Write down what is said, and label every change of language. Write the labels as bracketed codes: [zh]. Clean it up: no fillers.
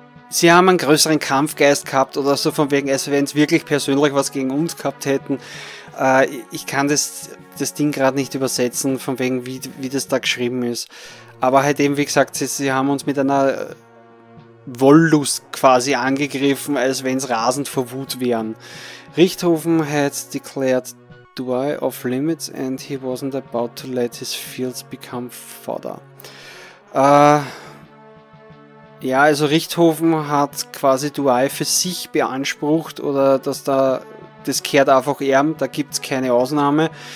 [de] Sie haben einen größeren Kampfgeist gehabt oder so, von wegen, also wenn es wirklich persönlich was gegen uns gehabt hätten. Ich kann das Ding gerade nicht übersetzen, von wegen, wie das da geschrieben ist. Aber halt eben, wie gesagt, sie haben uns mit einer Wollust quasi angegriffen, als wenn es rasend vor Wut wären. [en] Richthofen had declared Dwy off limits and he wasn't about to let his fields become fodder. [de] Ja, also Richthofen hat quasi Dwy für sich beansprucht oder dass da das kehrt einfach erben, da gibt's keine Ausnahme.